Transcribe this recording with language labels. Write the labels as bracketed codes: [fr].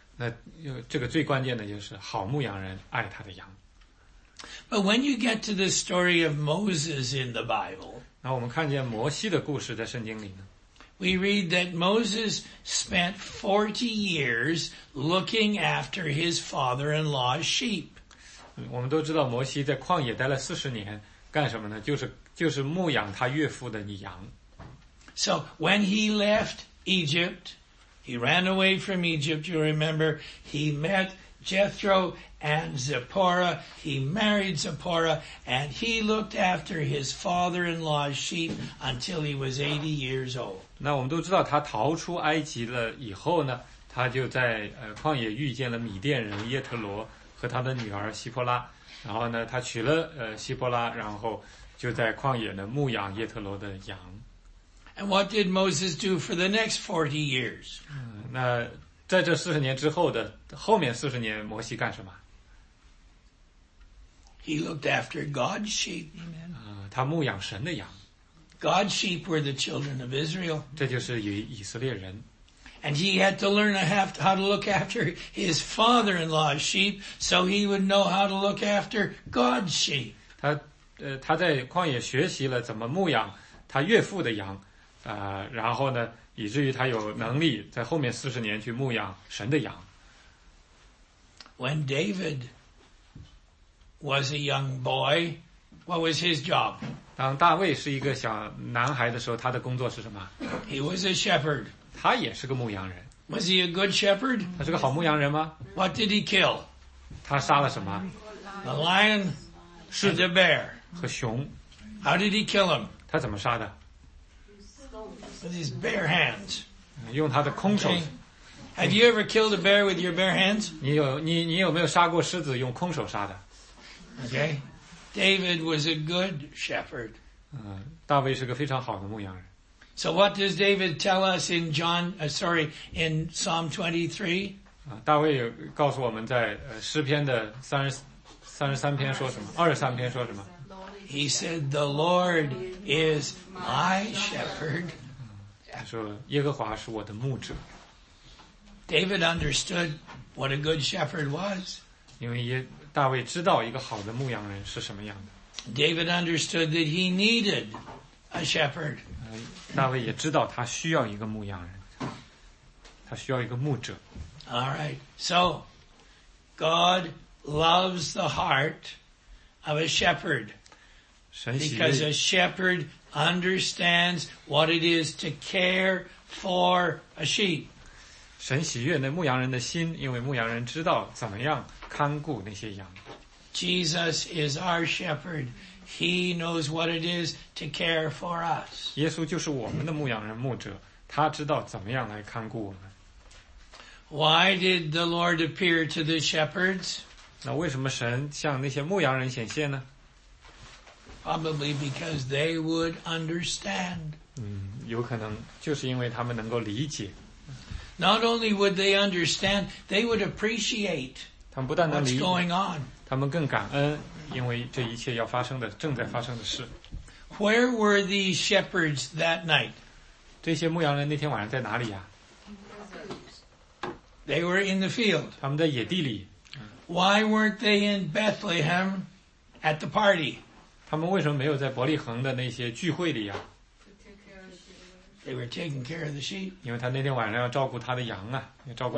[zh] 那这个最关键的就是好牧羊人爱他的羊。 [en] But when you get to the story of Moses in the Bible, [zh] 那我们看见摩西的故事在圣经里呢。 [en] We read that Moses spent 40 years looking after his father-in-law's sheep. [zh] 我们都知道摩西在旷野待了40年干什么呢？就是牧养他岳父的羊。 [en] So when he left Egypt, he ran away from Egypt, you remember, he met Jethro and Zipporah, he married Zipporah, and he looked after his father-in-law's sheep until he was 80 years old. [zh] 那我们都知道他逃出埃及了以后呢，他就在旷野遇见了米甸人耶特罗和他的女儿西波拉，然后呢他娶了西波拉，然后就在旷野呢牧养耶特罗的羊。 [en] And what did Moses do for the next 40 years? [zh] 那在这40年之后的后面40年摩西干什么？ [en] He looked after God's sheep. [zh] 他牧养神的羊。 [en] God's sheep were the children of Israel. [zh] 这就是以色列人。 [en] And he had to learn how to look after his father-in-law's sheep so he would know how to look after God's sheep. [zh] 他在旷野学习了怎么牧养他岳父的羊。然后呢以至于他有能力在后面40年去牧养神的羊。 [en] When David was a young boy, what was his job? [zh] 当大卫是一个小男孩的时候他的工作是什么? [en] He was a shepherd. [zh] 他也是个牧羊人。 [en] Was he a good shepherd? [zh] 他是个好牧羊人吗? [en] What did he kill? [zh] 他杀了什么? [en] The lion and the bear. [zh] 和熊。 [en] How did he kill him? [zh] 他怎么杀的? [en] With his bare hands. [zh] 用他的空手。 [en] Have you ever killed a bear with your bare hands? [zh] 你有没有杀过狮子用空手杀的? [en] Okay. David was a good shepherd. [zh] 大卫是个非常好的牧羊人。 [en] So what does David tell us in in Psalm 23? [zh] 大卫告诉我们在诗篇的33篇说什么 ,23 篇说什么。 [en] He said, the Lord is my shepherd. [zh] 他说耶和华是我的牧者。 [en] David understood what a good shepherd was. [zh] 因为大卫知道一个好的牧羊人是什么样的。 [en] David understood that he needed a shepherd. [zh] 大卫也知道他需要一个牧羊人。他需要一个牧者。 [en] Alright, so, God loves the heart of a shepherd. Because a shepherd understands what it is to care for a sheep. [zh] 神喜悦那牧羊人的心，因为牧羊人知道怎么样看顾那些羊。 [en] Jesus is our shepherd. He knows what it is to care for us. [zh] 耶稣就是我们的牧羊人牧者，他知道怎么样来看顾我们。 [en] Why did the Lord appear to the shepherds? [zh] 那为什么神向那些牧羊人显现呢？ [en] Probably because they would understand. [zh] 有可能就是因为他们能够理解。 [en] Not only would they understand, they would appreciate. [zh] 他们不但能理解 [en] what's going on. [zh] 他们更感恩，因为这一切要发生的，正在发生的事。 [en] Where were these shepherds that night? [zh] 这些牧羊人那天晚上在哪里呀？ [en] They were in the field. [zh] 他们在野地里。 [en] Why weren't they in Bethlehem at the party? [zh] 他们为什么没有在伯利恒的那些聚会里呀？ [en] They were taking care of the sheep. [zh] 因为他那天晚上要照顾他的羊啊，要照顾。